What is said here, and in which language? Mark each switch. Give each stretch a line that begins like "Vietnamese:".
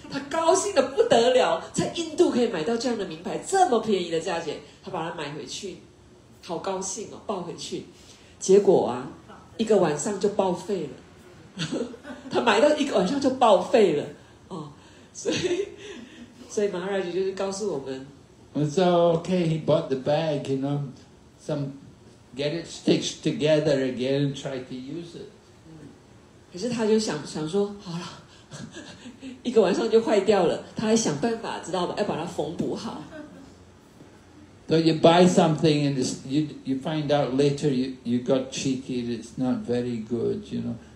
Chinese: 他高兴的不得了，在印度可以买到这样的名牌，这么便宜的价钱，他把它买回去，好高兴哦，抱回去。结果啊，一个晚上就报废了。他买到一个晚上就报废了哦，所以 Maharaj 就是告诉我们
English: ，So okay, he bought the bag, you know, some get it stitched together again, try to use it.
Chinese: 可是他就想说，好了，一个晚上就坏掉了，他还想办法，知道吧？要把它缝补好。
English: So you buy something and you find out later you got cheated, it's not very good, you know.